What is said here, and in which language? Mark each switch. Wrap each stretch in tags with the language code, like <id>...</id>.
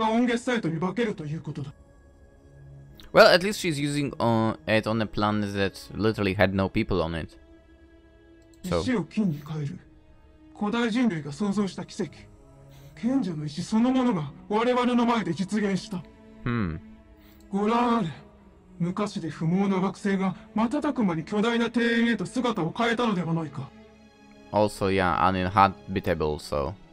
<ja>核変換に必要なエネルギーさえあれば、爆裂がもたらす極めて特殊な環境で音月サイトが形成され続けるだろう。そう、惑星丸ごとが音月サイトに化けるということだ。</ja> <en>Well, at least she's using it on a planet that literally had no people on it.</en> <ja>So、石を金に変える。古代人類が創造した奇跡。賢者の石そのものが我々の前で実現した。ご覧あれ。</ja> <en>Also, yeah, uninhabitable, so.</en>